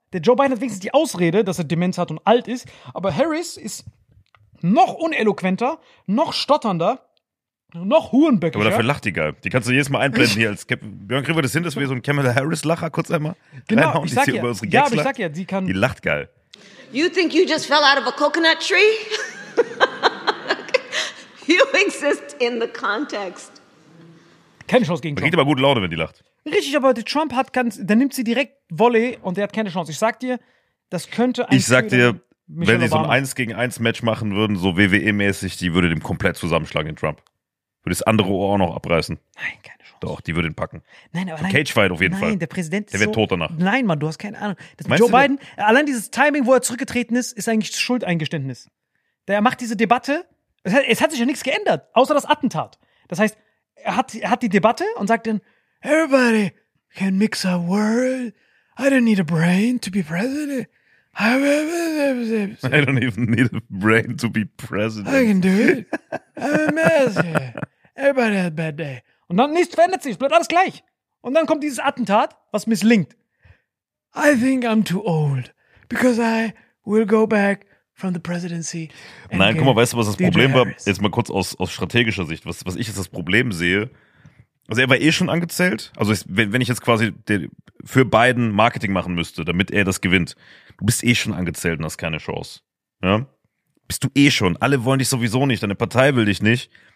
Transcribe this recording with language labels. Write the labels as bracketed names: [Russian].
[German] Der Joe Biden hat wenigstens die Ausrede, dass er Demenz hat und alt ist, aber Harris ist noch uneloquenter, noch stotternder, noch hurenböckiger. Aber dafür lacht die geil. Die kannst du jedes Mal einblenden hier als Captain. Björn, kriegen wir das hin, dass wir so einen Kamala Harris-Lacher kurz einmal genau, ich sag ja, über unsere Gags ja, aber ich sag ja, sie kann. Die lacht geil. [English] You think you just fell out of a coconut tree? You exist in the context. [German] Keine Chance gegen Trump. Geht aber gute Laune, wenn die lacht. Richtig, aber Trump hat ganz, dann nimmt sie direkt Volley und der hat keine Chance. Ich sag dir, das könnte ein. Ich sag dir, wenn sie so ein 1 gegen 1 Match machen würden, so WWE-mäßig, die würde dem komplett zusammenschlagen in Trump. Würde das andere Ohr auch noch abreißen. Nein, keine Chance. Doch, die würde ihn packen. Nein, aber nein. Cagefight auf jeden Fall. Nein, der Präsident ist der wird so, tot danach. Nein, Mann, du hast keine Ahnung. Das Joe Biden, der? Allein dieses Timing, wo er zurückgetreten ist, ist eigentlich Schuldeingeständnis. Der macht diese Debatte, es hat sich ja nichts geändert, außer das Attentat. Das heißt, er hat die Debatte und sagt dann, [English] everybody can mix a word. I don't need a brain to be president. I don't even need a brain to be president. I can do it. I'm a mess. Everybody had a bad day. [German] Und dann nichts verändert sich, es bleibt alles gleich. Und dann kommt dieses Attentat, was misslingt. [English] I think I'm too old. Because I will go back from the presidency. [German] Nein, guck mal, weißt du, was das Problem war? Jetzt mal kurz aus strategischer Sicht, was ich jetzt das Problem sehe. Also er war eh schon angezählt. Also wenn ich jetzt quasi für Biden Marketing machen müsste, damit er das gewinnt. Du bist eh schon angezählt und hast keine Chance. Ja? Bist du eh schon. Alle wollen dich sowieso nicht. Deine Partei will dich nicht.